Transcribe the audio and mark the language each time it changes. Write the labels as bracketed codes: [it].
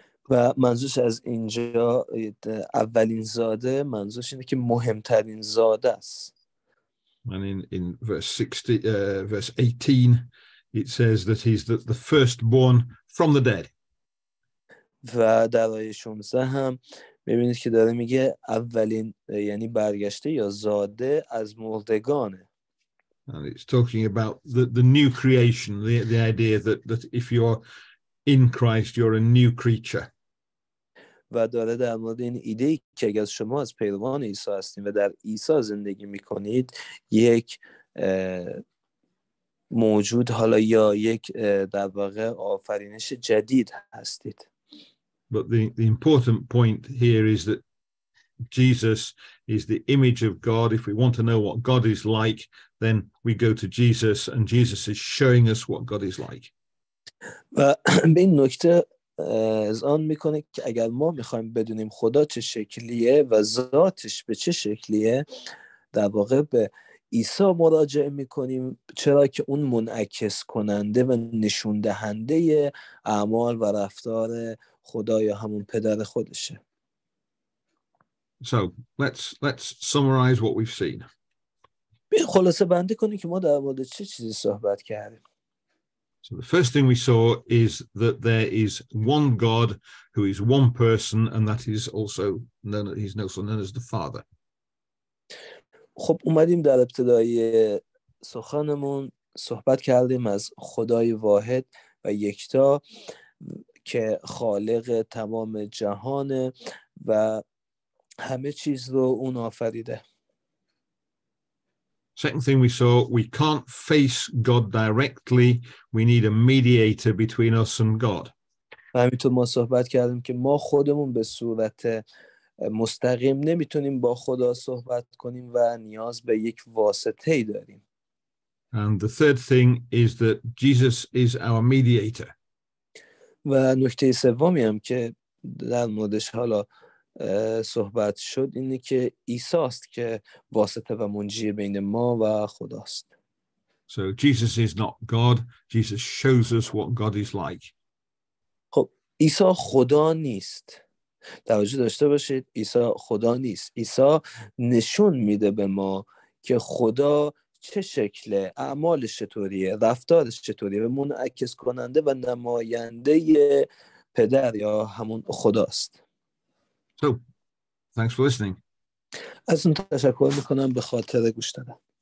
[fa] و منظورش از اینجا اولین زاده، منظورش اینه که مهمترین زاده است. [en] And in verse 18 it says that he's the firstborn from the dead. [fa] و در آیه 16 هم می‌بینید که داره میگه اولین، یعنی برگشته یا زاده از مردگانه. [en] And it's talking about the new creation, the idea that if you are in Christ, you're a new creature. [fa] و داره در مورد این ایده که اگر شما از پیروان عیسی هستید و در عیسی زندگی میکنید، یک موجود حالا یا یک در واقع آفرینش جدید هستید. [en] But the important point here is that Jesus is the image of God. If we want to know what God is like, then we go to Jesus, and Jesus is showing us what God is like. [fa] و به این نکته اذعان میکنه که اگر ما میخوایم بدونیم خدا چه شکلیه و ذاتش به چه شکلیه، در واقع به عیسی مراجعه میکنیم، چرا که اون منعکس کننده و نشون دهنده اعمال و رفتار خدا یا همون پدر خودشه. [en] So let's summarize what we've seen. [fa] بیا خلاصه بندی کنیم که ما در مورد چه چیزی صحبت کردیم. [en] So the first thing we saw is that there is one God who is one person, and that is also known, he's also known as the Father. [fa] خب اومدیم در ابتدای سخنمون صحبت کردیم از خدای واحد و یکتا که خالق تمام جهان و همه چیز رو اون آفریده. [en] Second thing we saw, we can't face God directly. We need a mediator between us and God. [fa] همینطور ما صحبت کردیم که ما خودمون به صورت مستقیم نمیتونیم با خدا صحبت کنیم و نیاز به یک واسطه ای داریم. [en] And the third thing is that Jesus is our mediator. [fa] و نکته سومی هم که در موردش حالا صحبت شد اینه که عیسی است که واسطه و منجی بین ما و خداست. [en] So Jesus is not God. Jesus shows us what God is like. [fa] خب عیسی خدا نیست. توجه داشته باشید، عیسی خدا نیست. عیسی نشون میده به ما که خدا چه شکله، اعمالش چطوریه، رفتارش چطوریه، به منعکس کننده و نماینده پدر یا همون خداست. [en] So, thanks for listening. [fa] ازتون تشکر میکنم به خاطر گوش دادن.